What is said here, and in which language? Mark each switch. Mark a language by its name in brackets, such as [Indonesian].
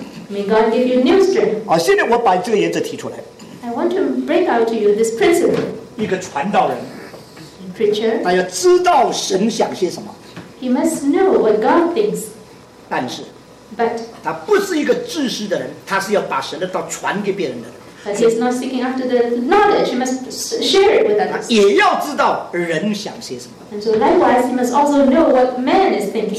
[English] May God give you new strength. I want to break out to you this principle. A preacher, he must know what God thinks. [Chinese] 但是， [English] But [Chinese] 他不是一个知识的人， 他是要把神的道传给别人的人。 [English] But he is not seeking after the knowledge, he must share it with others. [Chinese] 也要知道人想些什么。 [English] And so likewise, he must also know what man is thinking.